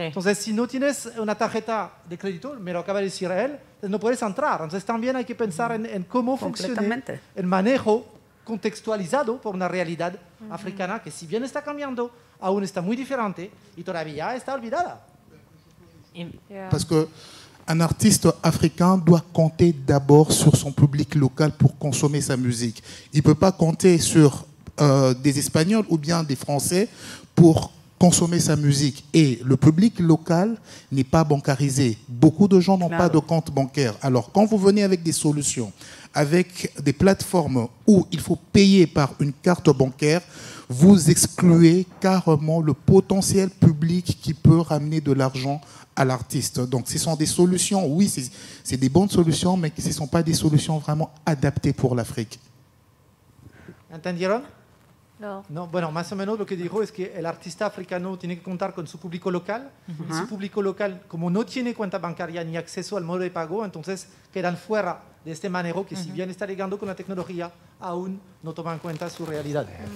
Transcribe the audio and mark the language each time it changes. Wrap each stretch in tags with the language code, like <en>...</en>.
<es>Entonces, si no tienes una tarjeta de crédito, me lo acaba de decir él, no puedes entrar. Entonces, también hay que pensar en cómo funciona el manejo contextualizado por una realidad africana que, si bien está cambiando, aún está muy diferente y todavía está olvidada.</es> <fr>Parce que un artiste africain doit compter d'abord sur son public local pour consommer sa musique. Il peut pas compter sur des Espagnols ou bien des Français pour consommer sa musique. Et le public local n'est pas bancarisé. Beaucoup de gens n'ont pas de compte bancaire. Alors, quand vous venez avec des solutions, avec des plateformes où il faut payer par une carte bancaire, vous excluez carrément le potentiel public qui peut ramener de l'argent à l'artiste. Donc, ce sont des solutions, oui, c'est des bonnes solutions, mais ce ne sont pas des solutions vraiment adaptées pour l'Afrique.</fr> <es>Entendieron? No. No, bueno, más o menos lo que dijo es que el artista africano tiene que contar con su público local. Uh-huh. Y su público local, como no tiene cuenta bancaria ni acceso al modo de pago, entonces quedan fuera de este manejo que, uh-huh, si bien está ligando con la tecnología, aún no toma en cuenta su realidad.</es>